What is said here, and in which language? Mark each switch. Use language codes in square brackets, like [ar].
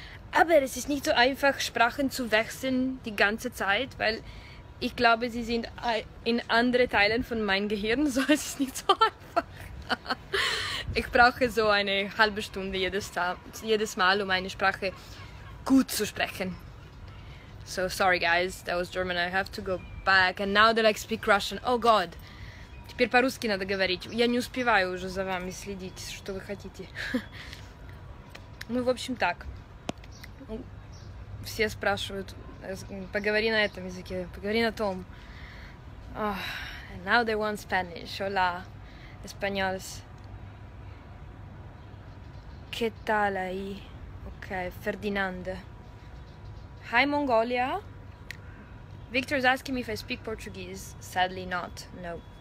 [de] Aber es ist nicht so einfach, Sprachen zu wechseln die ganze Zeit, weil ich glaube, sie sind in andere Teilen von meinem Gehirn, so ist es nicht so einfach. Ich brauche so eine halbe Stunde jedes Mal, um eine Sprache gut zu sprechen. [en] So sorry guys, that was German, I have to go back, and now they like speak Russian, oh god. [ru] Теперь по-русски надо говорить. Я не успеваю уже за вами следить, что вы хотите. Ну, в общем, так. Все спрашивают, поговори на этом языке, поговори на том. [en] Oh, and now they want Spanish, [es] hola, españoles. Che tal ahí? Ok, Ferdinand. [en] Hi, Mongolia. Victor is asking me if I speak Portuguese. Sadly, not. No.